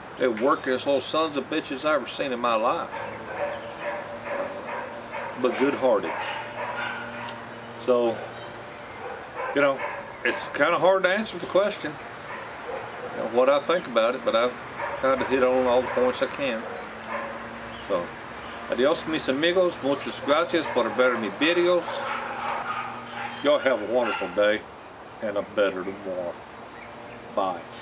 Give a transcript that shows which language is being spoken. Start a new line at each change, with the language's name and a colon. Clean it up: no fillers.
English: They're working as little sons of bitches I ever seen in my life. but good-hearted. So, you know, it's kind of hard to answer the question, you know, what I think about it, but I've tried to hit on all the points I can.
Spanish: So, adios mis amigos, muchas gracias por ver mis videos.
English: Y'all have a wonderful day and a better tomorrow. Bye.